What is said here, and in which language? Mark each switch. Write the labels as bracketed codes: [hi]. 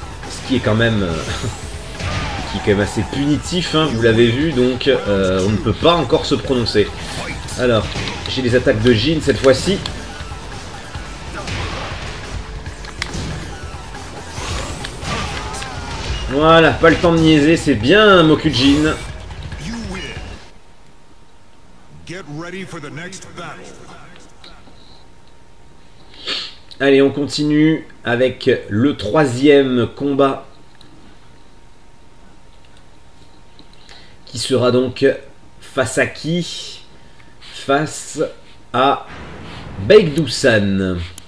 [fr] Ce qui est quand même qui est quand même assez punitif, hein, vous l'avez vu, donc on ne peut pas encore se prononcer. Alors, j'ai les attaques de Jin cette fois-ci. Voilà, pas le temps de niaiser, c'est bien Mokujin. [en] Get ready for the next battle. [fr] Allez, on continue avec le troisième combat. Qui sera donc face à qui? Face à Baekdusan.